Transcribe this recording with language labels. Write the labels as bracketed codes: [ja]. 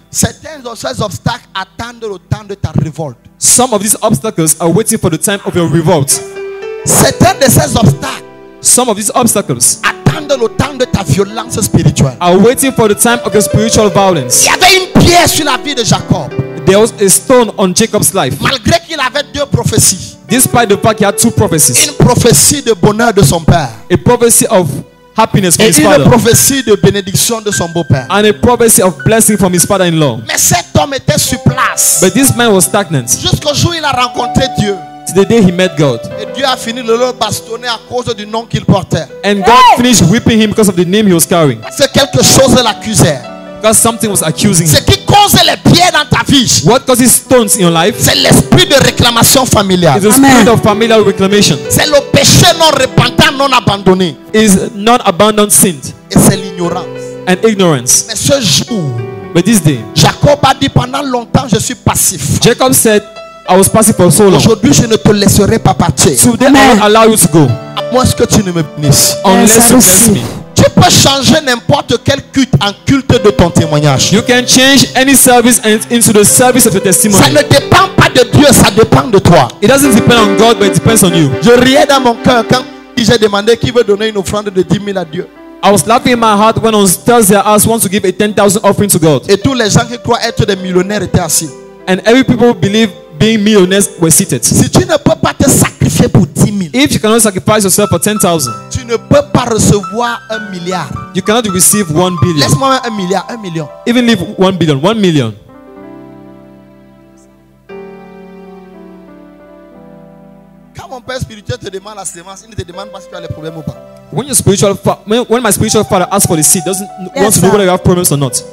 [fr] Certains de ces obstacles attendent le temps de ta révolte. [en] Some of these obstacles are waiting for the time of your revolt. [fr] Certains de ces obstacles. [en] Some of these obstacles [fr] attendent le temps de ta violence spirituelle. [en] Are waiting for the time of your spiritual violence. [fr] Il y avait une pierre sur la vie de Jacob. [en] There was a stone on Jacob's life. [fr] Malgré qu'il avait deux prophéties. [en] Despite the fact he had two prophecies. [fr] Une prophétie de bonheur de son père. [en] A prophecy of happiness from [fr] et [en] his father. [fr] Et une prophétie de bénédiction de son beau-père. [en] And a prophecy of blessing from his father-in-law. [fr] Mais cet homme était sur place. [en] But this man was stagnant. [fr] Jusqu'au jour où il a rencontré Dieu. [en] To the day he met God. [fr] Et Dieu a fini de le bastonner à cause du nom qu'il portait. [en] And God finished whipping him because of the name he was carrying. [fr] Parce que quelque chose l'accusait. [en] Because something was accusing him. [fr] Ce qui cause les pierres dans ta vie. [en] What causes stones in your life? [fr] C'est l'esprit de réclamation familiale. [en] It's the spirit of familial reclamation. [fr] C'est le péché non repentant, non abandonné. [en] Is not abandoned sin. [fr] Et c'est l'ignorance. [en] And ignorance. [fr] Mais ce jour. [en] But this day. [fr] Jacob a dit pendant longtemps je suis passif. [en] Jacob said, I was passive for so long. [fr] Aujourd'hui je ne te laisserai pas partir. [en] Today Amen. I will allow you to go. [fr] À moins que tu ne me bénisses. [en] Unless you bless me. [fr] Tu peux changer n'importe quel culte en culte de ton témoignage. [en] You can change any service into the service of your testimony. [fr] Ça ne dépend pas de Dieu, ça dépend de toi. [en] It doesn't depend on God, but it depends on you. [fr] Je riais dans mon cœur quand j'ai demandé qui veut donner une offrande de 10 000 à Dieu. [en] I was laughing in my heart when on Thursday asked wants to give a 10,000 offering to God. [fr] Et tous les gens qui croient être des millionnaires étaient assis. [en] And every people who believe being millionaires were seated. [fr] Si tu ne peux pas te sacrifier pour 10 000, [en] if you cannot sacrifice yourself for 10,000, [fr] tu ne peux pas recevoir 1 milliard. [en] You cannot receive 1 billion. [fr] Laisse-moi 1 milliard, 1 million. [en] Even leave 1 billion, 1 million. [fr] Quand mon père spirituel te demande la semence, il ne te demande pas si tu as les problèmes ou pas. [en] When your spiritual when my spiritual father asks for the seed, doesn't yes, want to know whether you have problems or not.